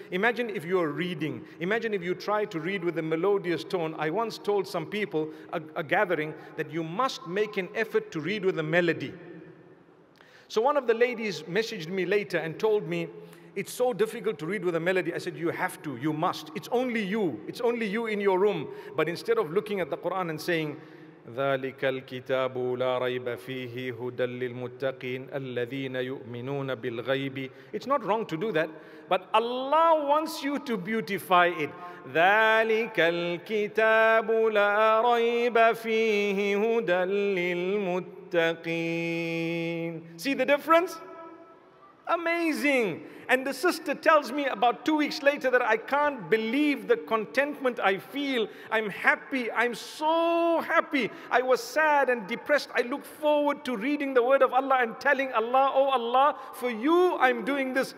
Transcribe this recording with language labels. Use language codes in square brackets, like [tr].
[en] Imagine if you're reading. Imagine if you try to read with a melodious tone. I once told some people, a gathering, that you must make an effort to read with a melody. So one of the ladies messaged me later and told me, it's so difficult to read with a melody. I said, you have to, you must. It's only you. It's only you in your room. But instead of looking at the Quran and saying, [ar] ذلك الكتاب لا ريب فيه هدى للمتقين الذين يؤمنون بالغيب. [en] It's not wrong to do that, but Allah wants you to beautify it. [ar] ذلك الكتاب لا ريب فيه هدى للمتقين. [en] See the difference? Amazing. And the sister tells me about 2 weeks later that I can't believe the contentment I feel. I'm happy. I'm so happy. I was sad and depressed. I look forward to reading the word of Allah and telling Allah, oh Allah, for you I'm doing this.